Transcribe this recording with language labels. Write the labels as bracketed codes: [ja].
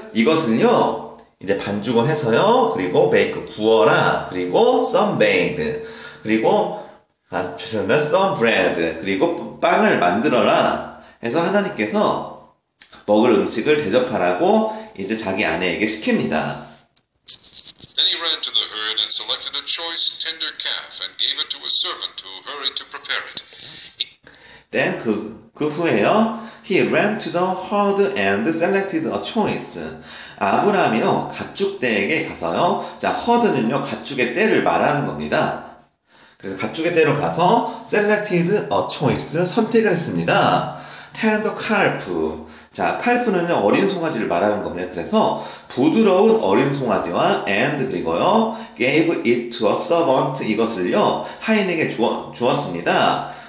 [ko] 이것은요, 이제 반죽을 해서요. 그리고 bake 구워라. 그리고 sunbathe. 그리고 아, 죄송합니다. sunbread. 그리고 빵을 만들어라. 해서 하나님께서 먹을 음식을 대접하라고 이제 자기 아내에게 시킵니다. [en] Then he ran to the herd and selected a choice tender calf and gave it to a servant who hurried to prepare it. [ko] Then 그 후에요. [en] He ran to the herd and selected a choice. [ko] 아브라함이요, 가축대에게 가서요. 자, 허드는요, 가축의 떼를 말하는 겁니다. 그래서 가축의 떼로 가서 [en] selected a choice [ko] 선택을 했습니다. [en] Tender calf. [ko] 자, 칼프는요, 어린 송아지를 말하는 겁니다. 그래서 부드러운 어린 송아지와 and 그리고요, [en] gave it to a servant [ko] 이것을요, 하인에게 주었습니다.